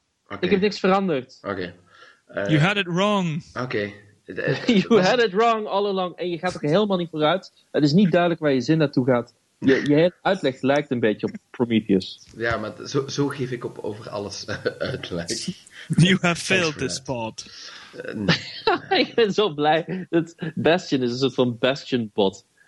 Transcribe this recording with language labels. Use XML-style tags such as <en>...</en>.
<nl>Okay. Ik heb niks veranderd.</nl> <en>Okay. You had it wrong. Okay. You had it wrong all along.</en> <nl>En je gaat ook helemaal niet vooruit. Het is niet duidelijk waar je zin naartoe gaat. Je uitleg lijkt een beetje op Prometheus. Ja, maar zo geef ik op over alles uitleg.</nl> <en>You have failed this part.</en> <nl>Nee. Ik ben zo blij. Het Bastion is een soort van Bastion-bot.</nl>